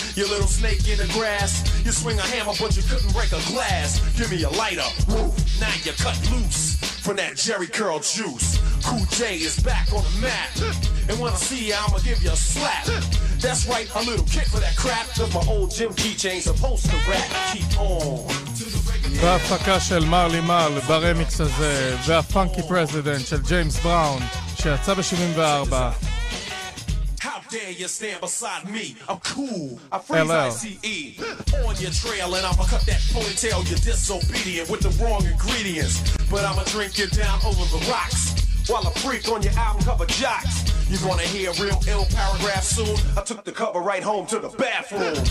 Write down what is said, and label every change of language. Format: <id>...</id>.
<en>You little snake in the grass. You swing a hammer, but you couldn't break a glass. Give me a lighter. Woo. Now you cut loose from that Jerry Curl juice. Cool J is back on the map. And when I see ya, I'ma give you a slap. That's right, a little kick for that crap. Cause my old gym teacher ain't supposed to rap. Keep on.</en> <he>בהפקה של מרלי מל ברמיקס הזה והפונקי פרזידנט של ג'יימס בראון שיצא ב-74</he> <en>How dare you stand beside me? I'm cool, I freeze ICE on your trail and I'ma cut that ponytail. You're disobedient with the wrong ingredients, but I'ma drink you down over the rocks while I freak on your album cover jocks. You're gonna hear real ill paragraph soon. I took the cover right home to the bathroom.</en>